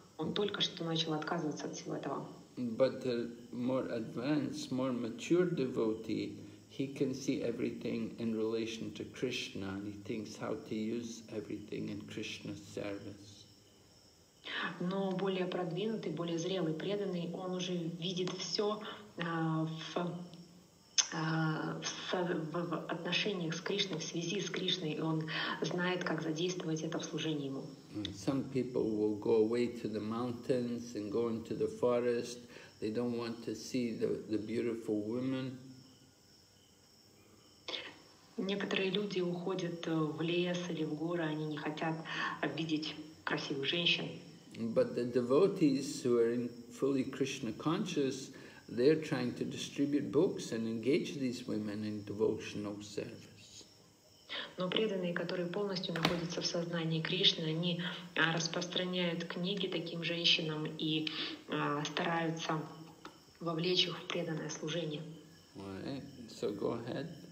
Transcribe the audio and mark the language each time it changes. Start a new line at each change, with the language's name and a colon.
Russian: Он только что начал отказываться от всего этого.
English: But the more advanced, more mature devotee, he can see everything in relation to Krishna, and he thinks how to use everything in Krishna's service.
Russian: Но более продвинутый, более зрелый преданный, он уже видит все в отношениях с Кришной, в связи с Кришной, и он знает, как задействовать это в служении ему.
English: Some people will go away to the mountains and go into the forest. They don't want to see the beautiful women.
Russian: Некоторые люди уходят в лес или в горы, они не хотят видеть красивых женщин.
English: But the devotees who are fully Krishna conscious, they're trying to distribute books and engage these women in devotional service.
Russian: Но преданные, которые полностью находятся в сознании Кришны, они распространяют книги таким женщинам и стараются вовлечь их в преданное служение.
English: Right. So go ahead.